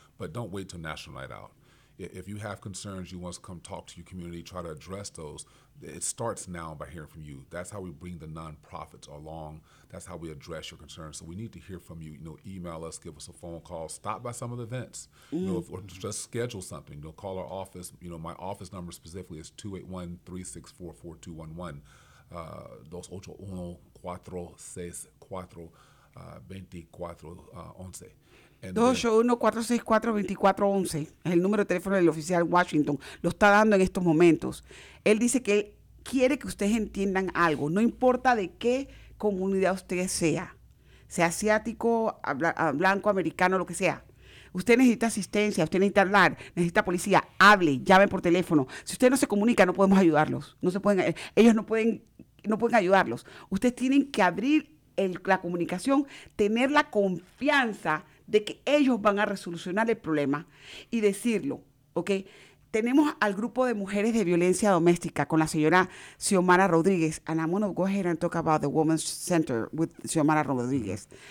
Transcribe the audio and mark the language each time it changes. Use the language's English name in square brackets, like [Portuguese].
[English] But don't wait till National Night Out. If you have concerns, you want to come talk to your community, try to address those. It starts now by hearing from you. That's how we bring the nonprofits along. That's how we address your concerns. So we need to hear from you. You know, email us, give us a phone call, stop by some of the events. Mm-hmm. You know, or just schedule something. You know, call our office. You know, my office number specifically is 281-364-4211. [Spanish] Dos ocho uno cuatro seis cuatro veinticuatro once. 281-464-2411 es el número de teléfono del oficial Washington. Lo está dando en estos momentos. Él dice que él quiere que ustedes entiendan algo. No importa de qué comunidad usted sea, sea asiático, blanco, americano, lo que sea. Usted necesita asistencia, usted necesita hablar, necesita policía, hable, llame por teléfono. Si usted no se comunica, no podemos ayudarlos. Ellos no pueden ayudarlos. Ustedes tienen que abrir la comunicación, tener la confianza de que ellos van a resolucionar el problema y decirlo, ¿ok? Tenemos al grupo de mujeres de violencia doméstica con la señora Xiomara Rodríguez. [English] And I'm going to go ahead and talk about the Women's Center with Xiomara Rodríguez.